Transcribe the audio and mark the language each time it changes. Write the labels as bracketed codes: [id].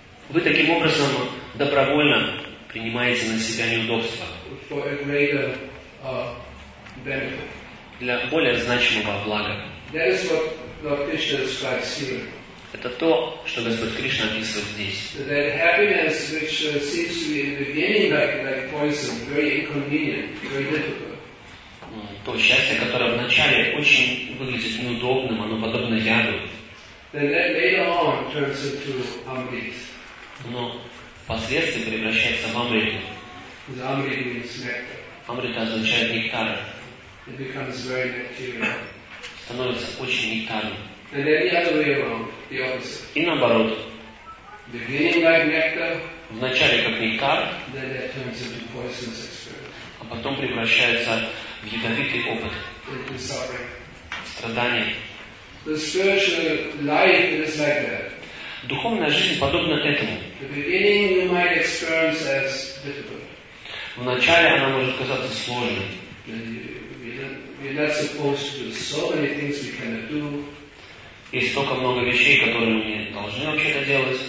[ru] Вы таким образом добровольно принимаете на себя неудобства. [en] For a greater, benefit. [ru] Для более значимого блага. [en] That is what Lord Krishna describes here. [ru] Это то, что Господь Кришна описывает здесь. [en] That happiness, which seems to be in the beginning like poison, very inconvenient, very difficult. [ru] То счастье, которое вначале очень выглядит неудобным, оно подобно яду. [en] Then later on turns into amrit. [ru] Но впоследствии превращается в амриту. [en] Амрит means nectar. [ru] Амрита означает нектар. [en] It becomes very nectarian. [ru] Становится очень нектарным. [en] And then the other way around, the opposite. [ru] И наоборот. [en] Beginning like nectar. [ru] Вначале как нектар. [en] Then that turns into poisonous experience. [ru] А потом превращается в ядовитый опыт. [en] Into suffering. [ru] Страдание. [en] The spiritual life is like that. [ru] Духовная жизнь подобна этому. [en] The beginning you might experience as difficult. [ru] Вначале она может казаться сложной. [en] We're not supposed to do so many things we cannot do. [ru] Есть столько много вещей, которые мы должны вообще-то делать.